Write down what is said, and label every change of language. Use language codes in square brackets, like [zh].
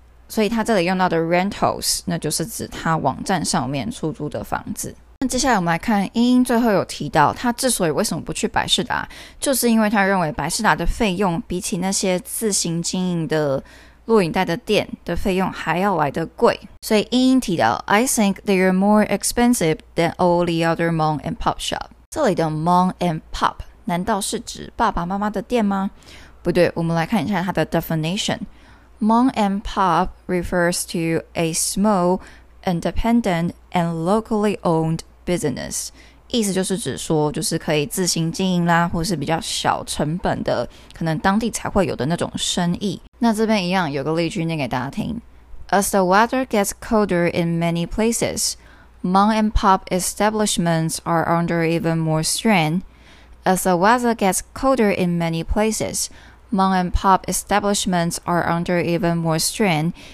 [zh] 所以他这里用到的 rentals， 那就是指他网站上面出租的房子。那接下来我们来看英英最后有提到，他之所以为什么不去百视达，就是因为他认为百视达的费用比起那些自行经营的录影带的店的费用还要来得贵。所以英英提到 [en] I think they are more expensive than all the other mom and pop shop. [zh] 这里的 mom and pop 难道是指爸爸妈妈的店吗？不对，我们来看一下它的 definition。 [en] Mom and pop refers to a small, independent and locally owned business. [zh] 意思就是指说就是可以自行经营啦，或是比较小成本的，可能当地才会有的那种生意。那这边一样有个例句念给大家听。 [en] As the weather gets colder in many places, mom and pop establishments are under even more strain. As the weather gets colder in many places, mom and pop establishments are under even more strain.